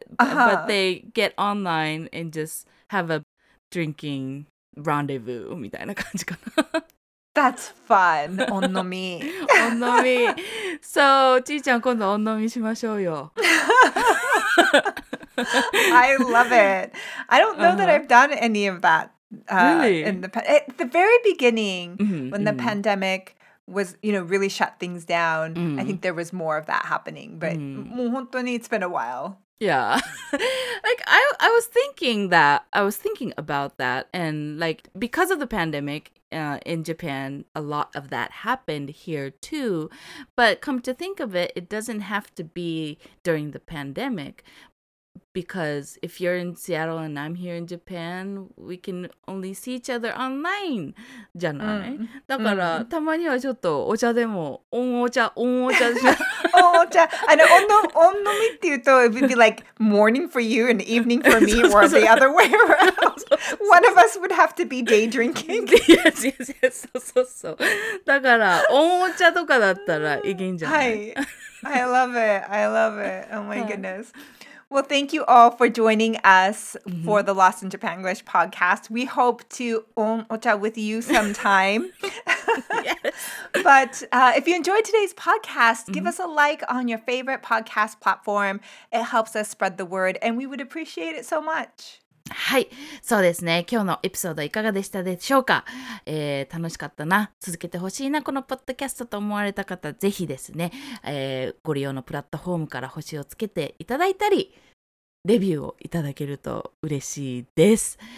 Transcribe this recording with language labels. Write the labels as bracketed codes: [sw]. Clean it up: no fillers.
[en] but they get online and just have a drinking rendezvous [ja] みたいな感じかな。 [en] That's fun! おんのみ。 [ja] おんのみ。 So, ちーちゃん、今度おんのみしましょうよ。 [en] I love it. I don't know、uh-huh. that I've done any of that、 really? in the at the very beginning、mm-hmm, when、mm-hmm. the pandemic was, you know, really shut things down.、Mm-hmm. I think there was more of that happening, but、mm-hmm. [ja] もう本当に [en] it's been a while. Yeah. Like, I was thinking about that. And, like, because of the pandemic in Japan, a lot of that happened here, too. But come to think of it, it doesn't have to be during the pandemic. Because if you're in Seattle and I'm here in Japan, we can only see each other online, じゃない? [ja] だから、たまにはちょっとお茶でも、おんお茶、おんお茶でしょ。おんお茶。あの、おんの、おんのみって言うと、 [en] it would be like morning for you and evening for me, or the other way around. One of us would have to be day drinking. Yes, yes, yes. [ja] そうそうそう。だから、おんお茶とかだったらいけんじゃない? [en] はい。I love it. I love it. Oh my goodness. Well, thank you all for joining us for the Lost in Japan English podcast. We hope to on ocha with you sometime. But if you enjoyed today's podcast, give us a like on your favorite podcast platform. It helps us spread the word, and we would appreciate it so much. [ja] はい、そうですね。今日のエピソードいかがでしたでしょうか、楽しかったな、続けてほしいな、このポッドキャストと思われた方、ぜひですね、ご利用のプラットフォームから星をつけていただいたり、レビューをいただけると嬉しいです。